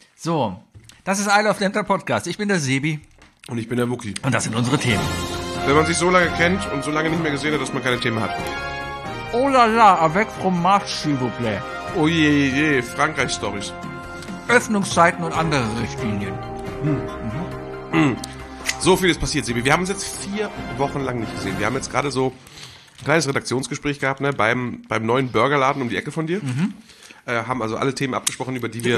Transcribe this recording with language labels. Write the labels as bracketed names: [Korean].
[German] So, das ist I Love Lamp, der Podcast, ich bin der Sebi. Und ich bin der Wookie. Und das sind unsere Themen. Wenn man sich so lange kennt und so lange nicht mehr gesehen hat, dass man keine Themen hat. [French] Oh la la, avec fromage, s'il vous plaît. [German] Oh je je, Frankreich-Stories. Öffnungszeiten und andere Richtlinien. So viel ist passiert, Sebi. Wir haben uns jetzt 4 Wochen lang nicht gesehen. Wir haben jetzt gerade so ein kleines Redaktionsgespräch gehabt, ne, beim neuen Burgerladen um die Ecke von dir. Haben also alle Themen abgesprochen, über die wir...